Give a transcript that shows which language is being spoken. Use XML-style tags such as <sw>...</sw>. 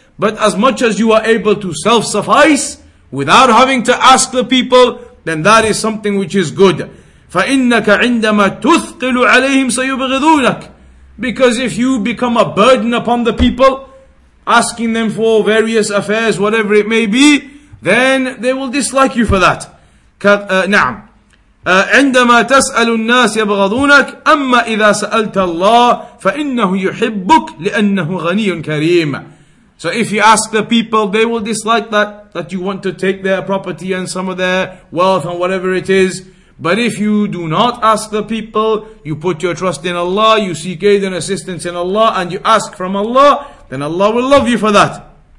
<en>But as much as you are able to self-suffice without having to ask the people, then that is something which is good.</en> <ar>فَإِنَّكَ عِنْدَمَا تُثْقِلُ عَلَيْهِمْ سَيُبْغِذُونَكَ.</ar> <en>Because if you become a burden upon the people, asking them for various affairs, whatever it may be, then they will dislike you for that.</en> <ar>نعم. عندما تسأل الناس يبغضونك أما إذا سألت الله فإنه يحبك لأنه غني كريم.</ar> <en>So if you ask the people, they will dislike that you want to take their property and some of their wealth and whatever it is. But if you do not ask the people, you put your trust in Allah, you seek aid and assistance in Allah, and you ask from Allah, then Allah will love you for that.</en>